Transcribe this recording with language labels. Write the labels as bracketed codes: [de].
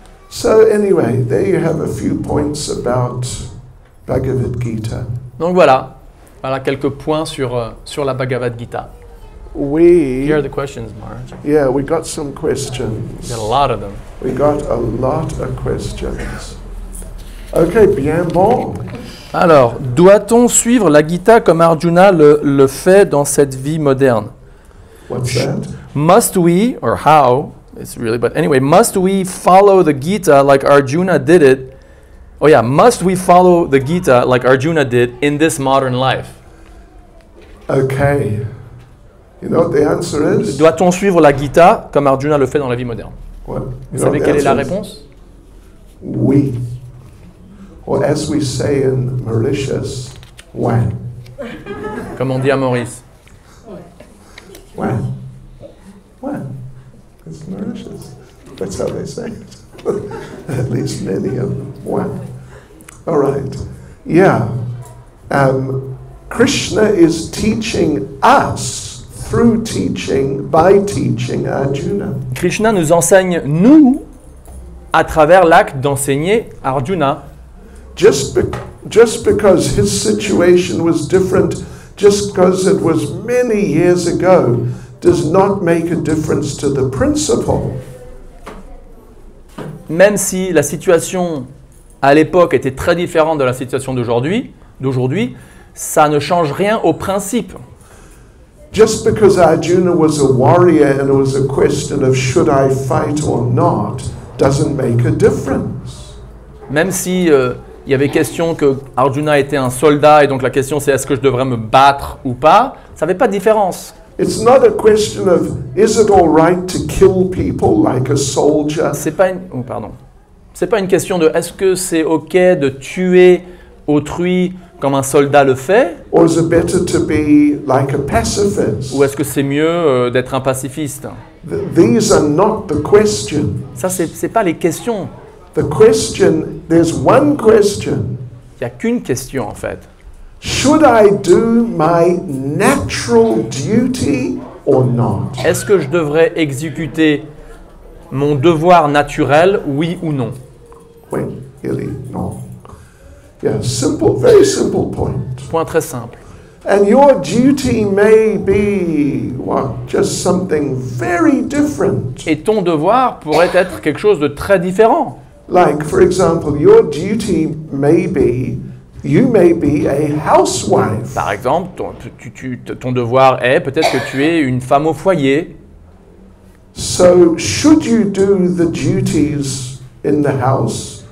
[en] So anyway, there you have a few points about Bhagavad Gita. [fr] Donc voilà quelques points sur la Bhagavad Gita. [en] Here are the questions, Maharaj. Yeah, we got some questions. We got a lot of them. We got a lot of questions. Okay, [fr] bien bon. Alors, doit-on suivre la Gita comme Arjuna le fait dans cette vie moderne? [en] What's that? Must we or how? It's really, but anyway, must we follow the Gita like Arjuna did it? Oh yeah, must we follow the Gita like Arjuna did in this modern life? Okay. You know what the answer is? [fr] Doit-on suivre la Gita comme Arjuna le fait dans la vie moderne? [en] Well, [fr] vous savez quelle est la réponse? Oui. [en] Or as we say in Mauritius, when? [fr] Comme on dit à Maurice. [en] When? When? It's Mauritius. That's how they say it. At least many of them. When? All right. Yeah. Krishna is teaching us through teaching, by teaching Arjuna. [fr] Krishna nous enseigne, nous, à travers l'acte d'enseigner Arjuna. [en] Just because his situation was different, just because it was many years ago, does not make a difference to the principle. [fr] Même si la situation à l'époque était très différente de la situation d'aujourd'hui, ça ne change rien au principe. [en] Just because Arjuna was a warrior and it was a question of should I fight or not, doesn't make a difference. [fr] Même si il y avait question que Arjuna était un soldat et donc la question c'est est-ce que je devrais me battre ou pas, ça n'avait pas de différence. [en] It's not a question of is it all right to kill people like a soldier. [fr] C'est pas une question de est-ce que c'est ok de tuer autrui comme un soldat le fait. [en] Or is it better to be like a pacifist? [fr] Ou est-ce que c'est mieux d'être un pacifiste? [en] These are not the questions. [fr] Ça c'est pas les questions. [en] The question, there's one question. [fr] Il y a qu'une question en fait. [en] Should I do my natural duty or not? [fr] Est-ce que je devrais exécuter mon devoir naturel, oui ou non? [en] When, really, no. Yeah, simple, very simple point. [fr] Point très simple. [en] And your duty may be what, just something very different. [fr] Et ton devoir pourrait être quelque chose de très différent. [en] Like, for example, your duty may be. You may be a housewife. [fr] Par exemple, ton devoir est peut-être que tu es une femme au foyer. [en] So should you do the duties in the house?